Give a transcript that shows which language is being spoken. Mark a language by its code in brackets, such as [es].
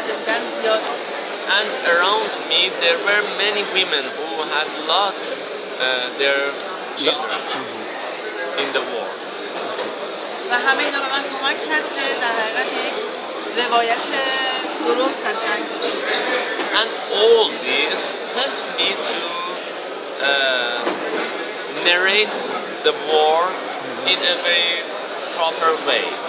[en] And around me there were many women who had lost their children in the war. [fa] و همه اینا به من کمک کرد که در حقیقت یک روایت درست از جنگ داشته باشم. [en] And all this helped me to narrate the war in a very proper way.